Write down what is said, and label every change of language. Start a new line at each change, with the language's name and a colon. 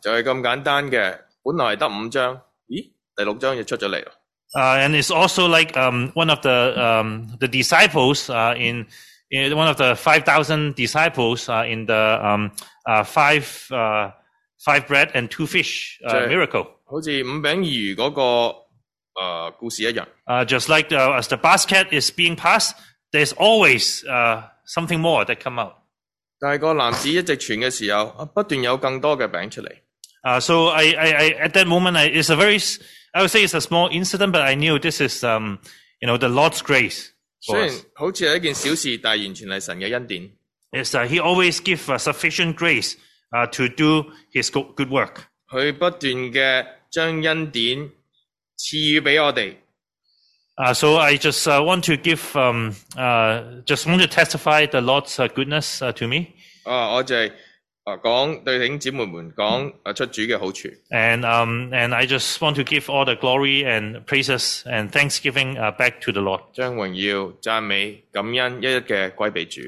Cantonese: 就系咁简单嘅，本来得五张，第六张就出咗嚟咯。
English: And it's also like one of the disciples in one of the 5,000 disciples in the five bread and two fish miracle.
Cantonese: 好似五饼二鱼嗰个故事一样。
English: Just like as the basket is being passed, there's always something more that come out.
Cantonese: 但系个男子一直传嘅时候，不断有更多嘅饼出嚟。
English: So I at that moment, it's a very, I would say it's a small incident, but I knew this is the Lord's grace.
Cantonese: 虽然好似系一件小事，但系完全系神嘅恩典。
English: Yes, he always give a sufficient grace. To do his good work.
Cantonese: 佢不断嘅将恩典赐予俾我哋。
English: So I just want to give just want to testify the Lord's goodness to me.
Cantonese: 我就系讲对弟兄姊妹们讲出主嘅好处。
English: And I just want to give all the glory and praises and thanksgiving back to the Lord.
Cantonese: 将荣耀、赞美、感恩一一嘅归俾主。